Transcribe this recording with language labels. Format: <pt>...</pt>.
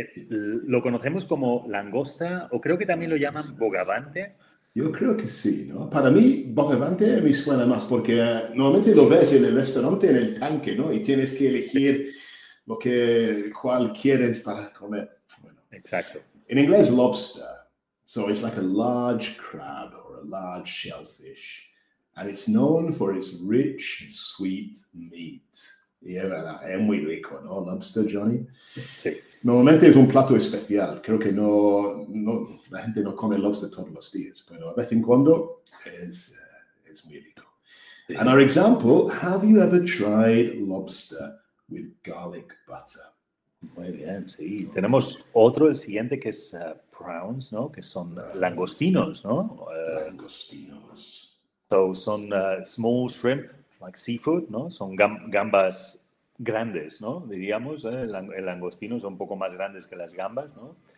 <es>Lo conocemos como langosta, o creo que también lo llaman bogavante. Yo creo que sí, ¿no? Para mí, bogavante me suena más, porque normalmente lo ves en el restaurante, en el tanque, ¿no? Y tienes que elegir cuál quieres para comer. Bueno. Exacto. En inglés, lobster.</es> <en>So it's like a large crab or a large shellfish. And it's known for its rich, sweet meat.</en> <es>Y es verdad, es muy rico, ¿no? Lobster, Johnny. Sí. Normalmente es un plato especial. Creo que no la gente no come lobster todos los días, pero de vez en cuando es muy rico. Sí.</es> <en>And our example, have you ever tried lobster with garlic butter?</en> <es>Muy bien, sí. Oh. Tenemos otro, el siguiente, que es prawns, ¿no? Que son langostinos, ¿no? Langostinos.</es> <en>So, son small shrimp, like seafood, ¿no?</en> <es>Son gambas grandes, ¿no? Diríamos, el langostino son un poco más grandes que las gambas, ¿no?</es>